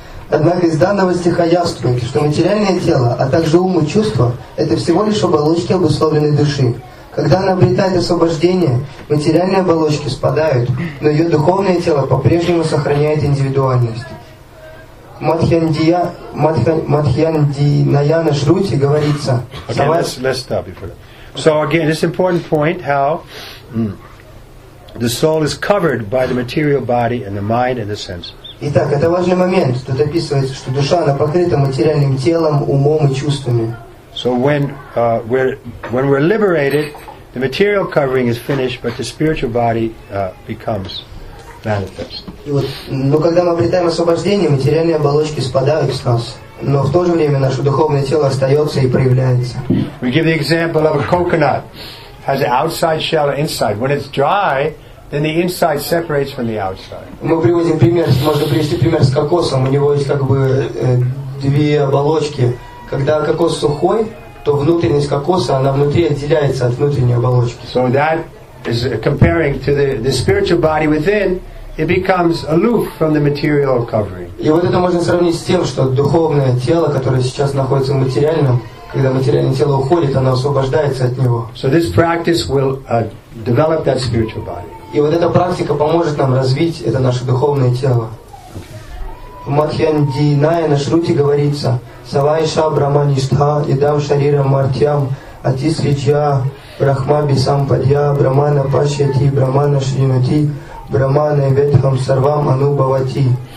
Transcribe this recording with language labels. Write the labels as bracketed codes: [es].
[ru] Однако из данного стиха явствует, что материальное тело, а также ум и чувства – это всего лишь оболочки обусловленной души. Когда она обретает освобождение, материальные оболочки спадают, но ее духовное тело по-прежнему сохраняет индивидуальность. Мадхьяндинаяна Шрути говорится… [en] Okay, let's stop you for that. So again, this important point, how the soul is covered by the material body and the mind and the senses. [ru] Итак, это важный момент. Тут описывается, что душа, она покрыта материальным телом, умом и чувствами. [en] So when we're liberated, the material covering is finished, but the spiritual body becomes manifest. [ru] И вот, но когда мы обретаем освобождение, материальные оболочки спадают с нас, но в то же время наше духовное тело остается и проявляется. [en] We give the example of a coconut. It has an outside shell and inside. When it's dry, then the inside separates from the outside. [ru] Мы приводим пример, можно привести пример с кокосом. У него есть как бы две оболочки. Когда кокос сухой, то внутренность кокоса, она внутри отделяется от внутренней оболочки. [en] So that is comparing to the spiritual body within, it becomes aloof from the material covering. [ru] И вот это можно сравнить с тем, что духовное тело, которое сейчас находится в материальном, когда материальное тело уходит, оно освобождается от него. [en] So this practice will develop that spiritual body. [ru] И вот эта практика поможет нам развить это наше духовное тело. В Мадхьяндинае на Шрути говорится: [sa] «Савайша Брахмаништха идам шарирам мартьям, атисриджа Брахма бисампадья Брахмана пашьяти Брахмана шринати Брахмана ветхам сарвам анубавати».